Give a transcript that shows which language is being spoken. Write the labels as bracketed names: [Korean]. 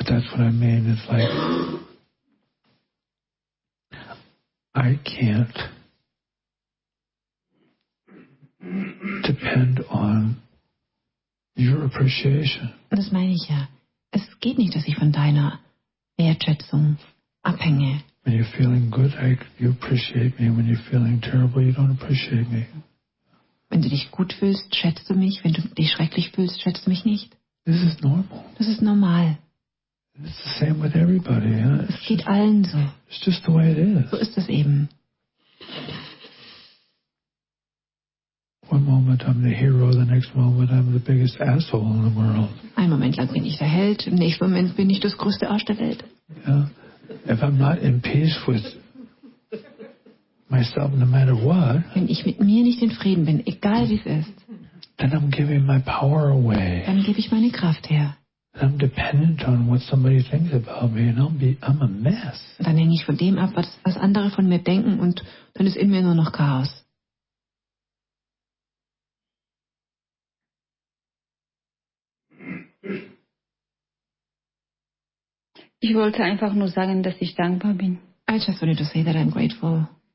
[English] what I mean is like, I can't depend on your appreciation. [German] Das meine ich ja. Es geht nicht, dass ich von deiner Wertschätzung abhänge. [English] When you're feeling good, you appreciate me. When you're feeling terrible, you don't appreciate me. [German] Wenn du dich gut fühlst, schätzt du mich. Wenn du dich schrecklich fühlst, schätzt du mich nicht. [English] This is normal. [German] Das ist normal. [English] It's the same with everybody, huh? [German] Es geht allen so. [English] It's just the way it is. [German] So ist es eben. [English] One moment I'm the hero, the next moment I'm the biggest asshole in the world. [German] Ein Moment lang bin ich der Held, im nächsten Moment bin ich das größte Arsch der Welt. [English] Yeah. If I'm not in peace with myself, no matter what, [German] wenn ich mit mir nicht in Frieden bin, egal wie es ist, [English] then I'm giving my power away. [German] Dann gebe ich meine Kraft her. [English] I'm dependent on what somebody thinks about me, and I'm a mess. [German] Dann hänge ich von dem ab, was andere von mir denken, und dann ist in mir nur noch Chaos. Ich wollte einfach nur sagen, dass ich dankbar bin. [English] I just wanted to say that I'm grateful.